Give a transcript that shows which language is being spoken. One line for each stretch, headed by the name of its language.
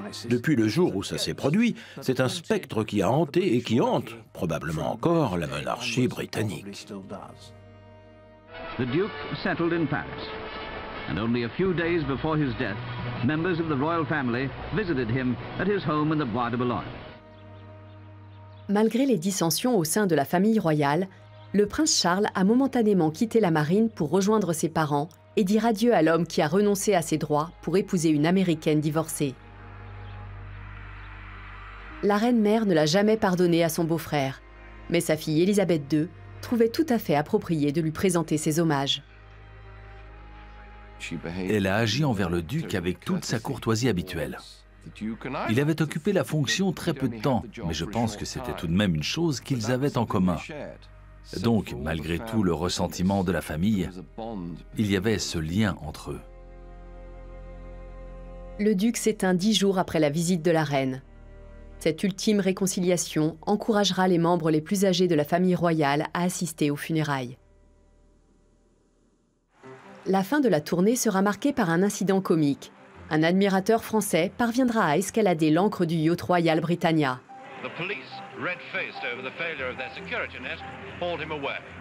French: Depuis le jour où ça s'est produit, c'est un spectre qui a hanté et qui hante, probablement encore, la monarchie britannique.
English: The Duke settled in Paris. And only a few days before his death, members of the royal family visited him at his home in the Bois de Boulogne.
French: Malgré les dissensions au sein de la famille royale, le prince Charles a momentanément quitté la marine pour rejoindre ses parents et dire adieu à l'homme qui a renoncé à ses droits pour épouser une Américaine divorcée. La reine-mère ne l'a jamais pardonné à son beau-frère, mais sa fille Elisabeth II trouvait tout à fait approprié de lui présenter ses hommages. Elle a agi envers le duc avec toute sa courtoisie habituelle. Il avait occupé la fonction très peu de temps, mais je pense que c'était tout de même une chose qu'ils avaient en commun. Donc, malgré tout le ressentiment de la famille, il y avait ce lien entre eux. Le duc s'éteint 10 jours après la visite de la reine. Cette ultime réconciliation encouragera les membres les plus âgés de la famille royale à assister aux funérailles. La fin de la tournée sera marquée par un incident comique. Un admirateur français parviendra à escalader l'ancre du yacht Royal Britannia.
English: The police, red-faced over the failure of their security net, hauled him away.